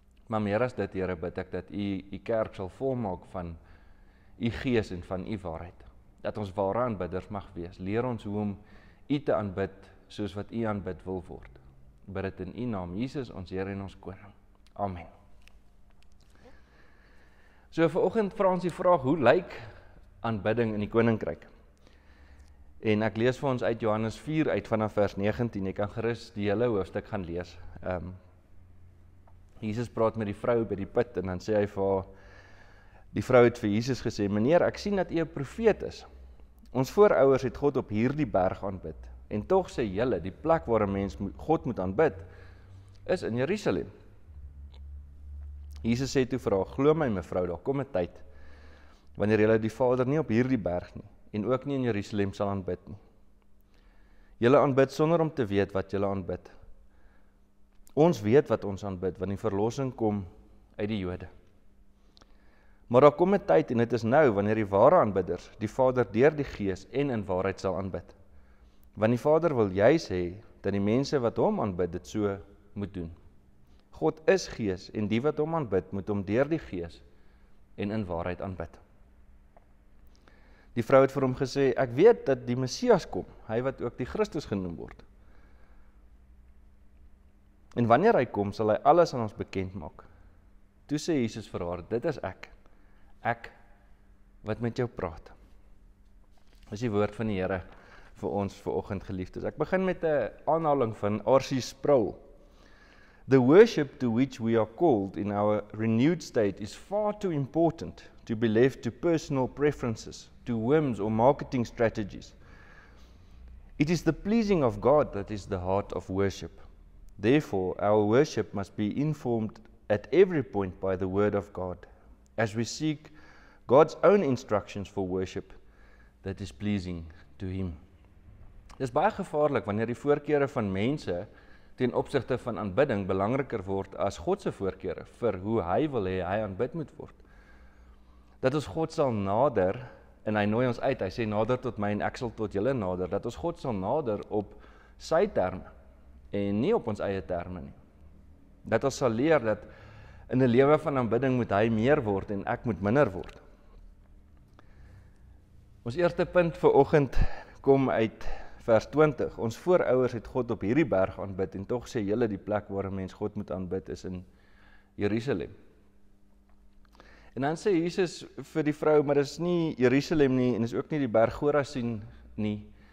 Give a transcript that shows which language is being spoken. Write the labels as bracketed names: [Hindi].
[Afrikaans] Maar meer as dit, Here, bid ek dat die kerk sal volmaak van die gees en van die waarheid. Dat ons ware aanbidders mag wees. Leer ons hoe om u te aanbid soos wat u aanbid wil word. Bid het in u naam, Jesus, ons Heer en ons Koning. Amen. So vanoggend vra ons die vraag, hoe lyk aanbidding in die Koninkryk? En ek lees vir ons uit Johannes 4 uit vanaf vers 19. Ek kan gerus die hele hoofstuk gaan lees. Jesus praat met die vrou by die put en dan sê hy vir die vrou het vir Jesus gesê, Meneer, ek sien dat jy 'n profeet is. Ons voorouers het God op hierdie berg aanbid. En toch sê jylle, die plek waar een mens God moet aanbid, is in Jerusalem. Jesus sê toe vir haar, glo my mevrou, daar kom 'n tyd, wanneer jylle die Vader nie op hierdie berg nie, en ook nie in Jerusalem sal aanbid nie. Julle aanbid sonder om te weet wat julle aanbid. Ons weet wat ons aanbid, want die verlossing kom uit die Jode. Maar daar kom 'n tyd en dit is nou, wanneer die ware aanbidders, die Vader deur die Gees en in waarheid sal aanbid. Want die Vader wil juis hê, dat die mense wat hom aanbid, dit so moet doen. God is Gees en die wat hom aanbid, moet hom deur die Gees en in waarheid aanbid. Die vrou het vir hom gesê, ek weet dat die Messias kom, hy wat ook die Christus genoem word. En wanneer hy kom, sal hy alles aan ons bekend maak. Toe sê Jesus vir haar, dit is ek. Ek wat met jou praat. Is die woord van die Here vir ons vanoggend geliefdes. Ek begin met 'n aanhaling van R.C. Sproul. [English] The worship to which we are called in our renewed state is far too important to be left to personal preferences, to whims or marketing strategies. It is the pleasing of God that is the heart of worship. Therefore, our worship must be informed at every point by the Word of God, as we seek God's own instructions for worship that is pleasing to Him. [Afrikaans] Dit is baie gevaarlik wanneer die voorkeure van mense ten opsigte van aanbidding belangriker word as Godse voorkeure vir hoe hy wil hê hy aanbid moet word. dat ons God zal nader, en hij nooi ons uit, hij sê nader tot my en ek sal tot julle nader, dat ons God zal nader op sy term, en nie op ons eie termen. Dat ons sal leer dat in die lewe van aanbidding moet hy meer word en ek moet minder word. Ons eerste punt vir oggend kom uit vers 20. Ons voorouers het God op hierdie berg aanbid en toch sê julle die plek waar een mens God moet aanbid is in Jerusalem. En dan sê Jesus vir die vrou, maar dit is nie Jerusalem nie en is ook nie die berg Gorasien nie.